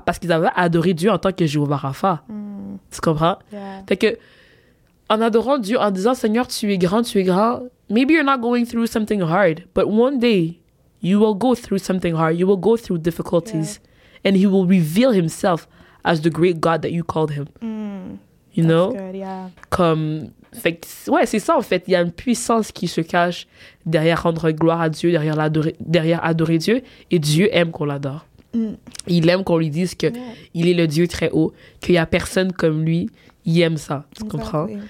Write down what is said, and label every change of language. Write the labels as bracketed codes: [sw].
[fr] Parce qu'ils avaient adoré Dieu en tant que Jéhovah Rapha. Mm. Tu comprends? [en] Yeah. [fr] Fait que, en adorant Dieu, en disant, Seigneur, tu es grand, [en] maybe you're not going through something hard, but one day, you will go through something hard, you will go through difficulties, yeah. and he will reveal himself as the great God that you called him. Mm. You That's know? Good, yeah. [fr] Comme... Fait que, ouais, c'est ça en fait. Il y a une puissance qui se cache derrière rendre gloire à Dieu, derrière adorer Dieu. Et Dieu aime qu'on l'adore. Mm. Il aime qu'on lui dise qu'il est le Dieu très haut, qu'il n'y a personne comme lui. Il aime ça, tu [en] exactly. [fr] comprends?